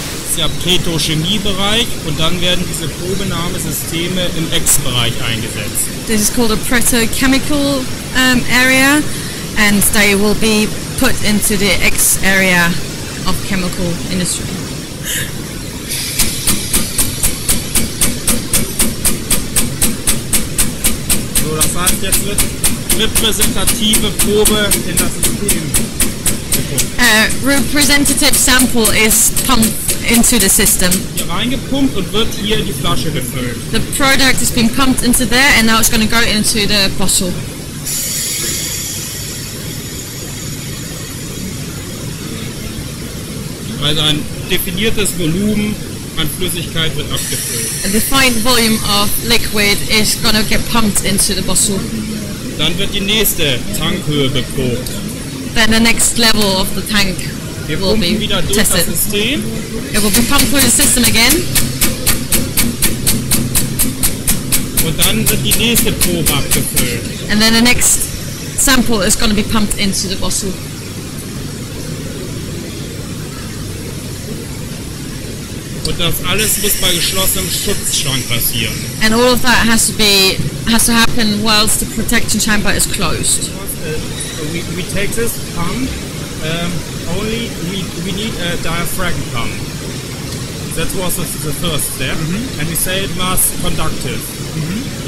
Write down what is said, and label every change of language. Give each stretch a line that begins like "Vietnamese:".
German: ist ja Petrochemiebereich und dann werden diese Probenahmesysteme im X-Bereich eingesetzt.
English: This is called a protochemical area and they will be put into the X area of chemical industry.
German: So, das heißt, jetzt wird repräsentative Probe in das System.
English: Representative sample is pumped into the system.
German: Hier reingepumpt und wird hier die Flasche gefüllt.
English: The product has been pumped into there and now it's going to go into the bottle.
German: Also ein definiertes Volumen an Flüssigkeit wird abgefüllt.
English: A defined volume of liquid is going to get pumped into the bottle.
German: Dann wird die nächste Tankhöhe geprobt.
English: Then the next level of the tank will be tested. It will be pumped through the system again.
German: Und dann wird die nächste Probe abgefüllt.
English: And then the next sample is going to be pumped into the bottle.
German: Und das alles muss bei geschlossenem Schutzschrank passieren.
English: And all of that has to happen whilst the protection chamber is closed. We take this pump, only we need a diaphragm pump. That was the first step. Mm-hmm. And we say it must conductive. Mm-hmm.